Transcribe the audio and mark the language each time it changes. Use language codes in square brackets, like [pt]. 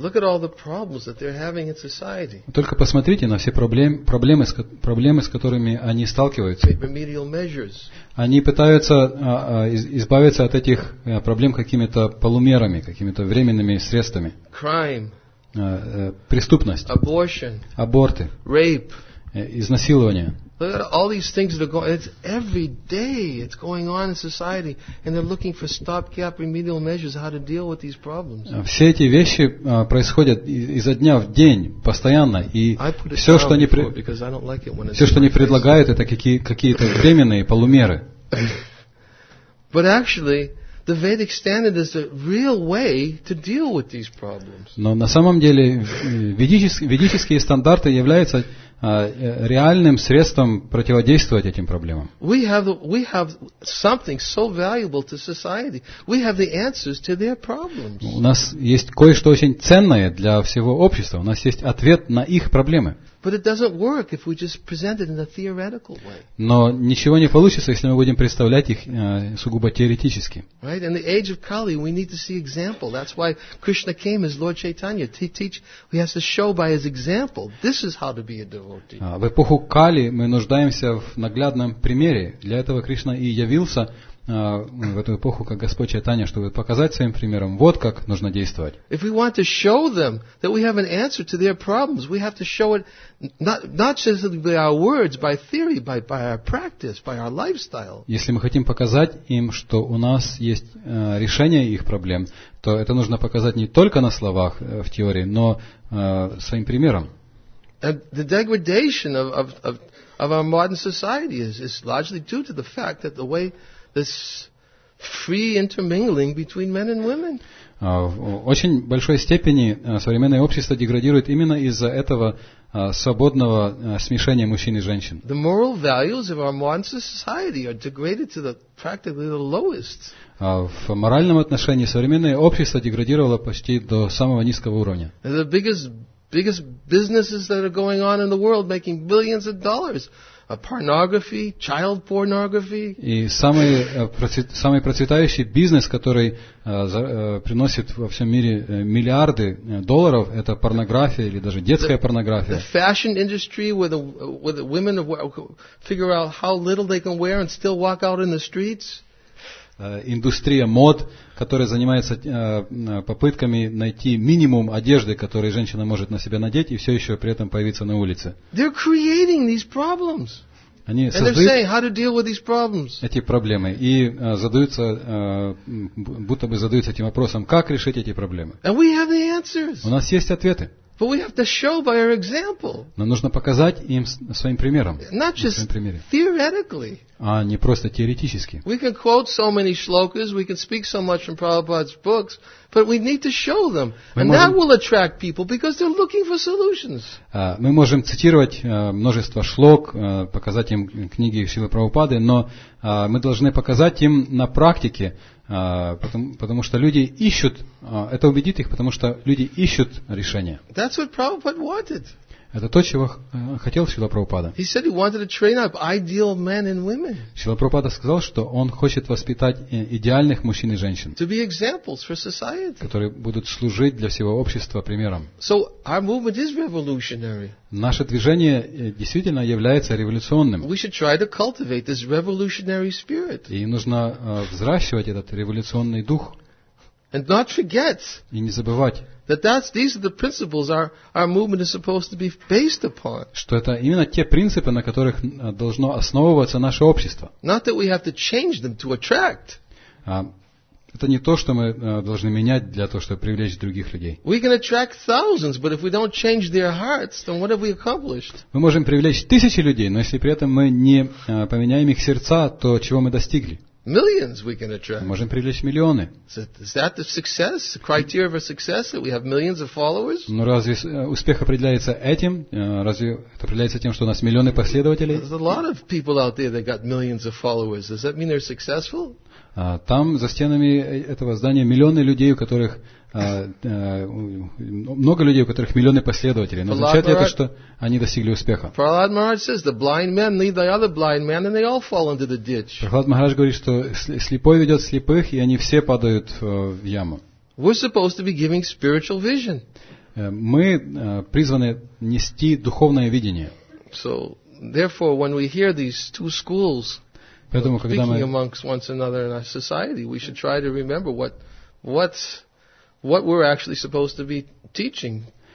[en] Look at all the problems that they're having in society. [ru] Только посмотрите на все проблемы, с которыми они сталкиваются. [en] Remedial measures. [ru] Они пытаются избавиться от этих проблем какими-то полумерами, какими-то временными средствами. [en] Crime. [ru] Преступность. [en] Abortion. [ru] Аборты. [en] Rape. [ru] Изнасилование. [en] Look at all these things that are going. It's every day. It's going on in society, and they're looking for stopgap remedial measures how to deal with these problems. [ru] Все эти вещи происходят изо дня в день постоянно, и все, что они предлагают, это какие-то временные полумеры. [en] But actually, the Vedic standard is the real way to deal with these problems. [ru] Но на самом деле ведические стандарты являются реальным средством противодействовать этим проблемам. [en] We have something so valuable to society. We have the answers to their problems. [ru] У нас есть кое-что очень ценное для всего общества. У нас есть ответ на их проблемы. [en] But it doesn't work if we just present it in a theoretical way. [ru] Но ничего не получится, если мы будем представлять их сугубо теоретически. [en] Right? In the age of Kali, we need to see example. That's why Krishna came as Lord Chaitanya to teach. He has to show by his example. This is how to be a devotee. [ru] В эпоху Кали мы нуждаемся в наглядном примере. Для этого Кришна и явился в эту эпоху как Господь Чайтанья, чтобы показать своим примером, вот как нужно действовать. [en] If we want to show them that we have an answer to their problems, we have to show it not just by our words, by theory, by our practice, by our lifestyle. [ru] Если мы хотим показать им, что у нас есть решение их проблем, то это нужно показать не только на словах, в теории, но своим примером. [en] And the degradation of our modern society is largely due to the fact that the way this free intermingling between men and women. [ru] В очень большой степени современное общество деградирует именно из-за этого свободного смешения мужчин и женщин. [en] The moral values of our modern society are degraded to the practically the lowest. [ru] В моральном отношении современное общество деградировало почти до самого низкого уровня. [en] The biggest businesses that are going on in the world making billions of dollars. A pornography, child pornography. [ru] И самый процветающий бизнес, который приносит во всем мире миллиарды долларов, это порнография или даже детская порнография. [en] The fashion industry where the women figure out how little they can wear and still walk out in the streets. [ru] Индустрия мод, которая занимается попытками найти минимум одежды, которую женщина может на себя надеть и все еще при этом появиться на улице. [en] They're creating these problems. [ru] Они создают эти проблемы и задаются, будто бы задаются этим вопросом, как решить эти проблемы. У нас есть ответы. [en] But we have to show by our example. [ru] Нам нужно показать им своим примером. [en] Not just theoretically. [ru] А не просто теоретически. [en] We can quote so many shlokas, we can speak so much from Prabhupada's books, but we need to show them. And that will attract people because they're looking for solutions. [ru] Мы можем цитировать множество шлок, показать им книги Шрилы Прабхупады, но мы должны показать им на практике, потому что люди ищут, это убедит их, потому что люди ищут решение. [en] That's what Prabhupada wanted. [ru] Это то, чего хотел Шрила Прабхупада. [en] He said he wanted to train up ideal men and women. [ru] Шрила Прабхупада сказал, что он хочет воспитать идеальных мужчин и женщин, [en] to be examples for society. [ru] Которые будут служить для всего общества примером. [en] So our movement is revolutionary. [ru] Наше движение действительно является революционным. [en] We should try to cultivate this revolutionary spirit. [ru] И нужно взращивать этот революционный дух. [en] And not forget. [ru] И не забывать. [en] These are the principles our movement is supposed to be based upon. [ru] Что это именно те принципы, на которых должно основываться наше общество. [en] Not that we have to change them to attract. [ru] Это не то, что мы должны менять для того, чтобы привлечь других людей. [en] We can attract thousands, but if we don't change their hearts, then what have we accomplished? [ru] Мы можем привлечь тысячи людей, но если при этом мы не поменяем их сердца, то чего мы достигли? [en] Millions we can attract. [ru] Мы можем привлечь миллионы. [en] Is that the success, the criteria of success, that we have millions of followers? [ru] Но разве успех определяется этим? Разве это определяется тем, что у нас миллионы последователей? [en] There's a lot of people out there that got millions of followers. Does that mean they're successful? [ru] Там, за стенами этого здания, миллионы людей, у которых много людей, у которых миллионы последователей. Но означает ли это, что они достигли успеха? [en] Prahlad Maharaj says, the blind man leads the other blind man, and they all fall into the ditch. [ru] Prahlad Maharaj говорит, что слепой ведет слепых, и они все падают в яму. [en] We're supposed to be giving spiritual vision. [ru] Мы призваны нести духовное видение. [en] So, therefore, when we hear these two schools, [ru] поэтому, когда [en] speaking [ru] мы... [en] amongst one another in our society, we should try to remember what we're actually supposed to be teaching.